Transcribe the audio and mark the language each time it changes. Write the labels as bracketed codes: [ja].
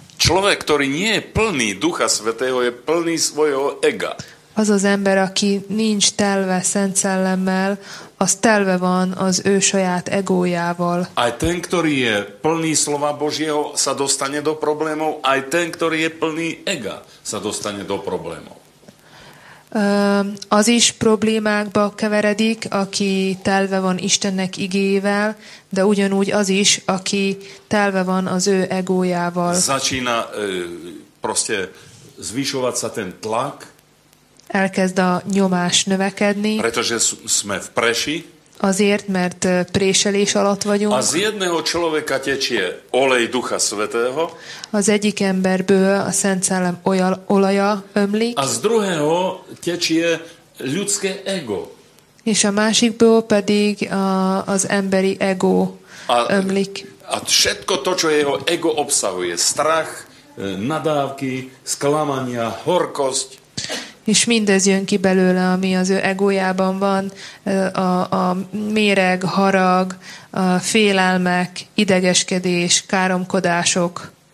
[sk] Človek, ktorý nie je plný Ducha Svätého, je plný svojho ega. [hu] Az az ember, aki nincs telve Szent Szellemmel, az telve van az ő saját egójával. [sk] Aj ten, ktorý je plný slova Božieho, sa dostane do problémov, aj ten, ktorý je plný ega, sa dostane do problémov. [hu] Az is problémákba keveredik, aki telve van Istennek igével, de ugyanúgy az is, aki telve van az ő egójával. [sk] Začína proste zvyšovať sa ten tlak, [hu] elkezd a nyomás növekedni. [sk] Pretože sme v Preši. [hu] Azért, mert préselés alatt vagyunk. [sk] A z jedného človeka tečie olej Ducha Svätého. [hu] Az egyik emberből a Szent Szellem olaja ömlik. [sk] A z druhého tečie ľudské ego. [hu] És a másikból pedig az emberi ego ömlik. [sk] A všetko to, čo jeho ego obsahuje. Strach, nadávky, sklamania, horkosť. [hu] És mindez jön ki belőle, ami az ő egójában van, a méreg, harag, a félelmek, idegeskedés, káromkodások.